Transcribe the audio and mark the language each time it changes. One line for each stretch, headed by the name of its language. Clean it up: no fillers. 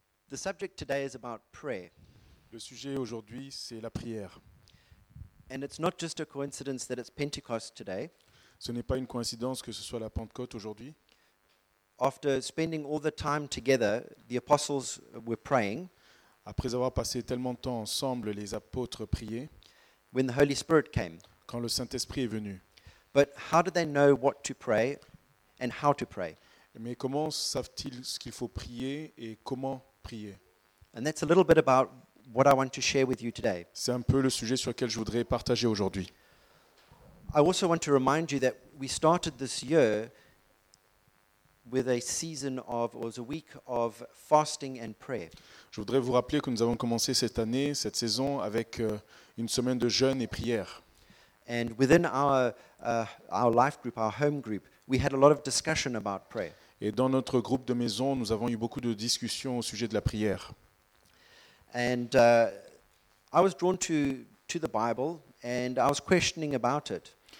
English: The subject today is about prayer.
French: Le sujet aujourd'hui, c'est la prière.
English: And it's not just a coincidence that it's Pentecost today.
French: Ce n'est pas une coïncidence que ce soit la Pentecôte aujourd'hui.
English: After spending all the time together, the apostles were praying.
French: Après avoir passé tellement de temps ensemble, les apôtres priaient.
English: When the Holy Spirit came.
French: Quand le Saint-Esprit est venu.
English: But how do they know what to pray and how to pray?
French: Mais comment savent-ils ce qu'il faut prier et comment prier.
English: And that's a little bit about what I want to share with you today.
French: C'est un peu le sujet sur lequel je voudrais partager aujourd'hui.
English: I also want to remind you that we started this year with a season of or a week of fasting and prayer.
French: Je voudrais vous rappeler que nous avons commencé cette année, cette saison avec une semaine de jeûne et prière.
English: And within our life group, our home group, we had a lot of discussion about prayer.
French: Et dans notre groupe de maison, nous avons eu beaucoup de discussions au sujet de la prière.
English: And I was drawn to the Bible and I was questioning about it.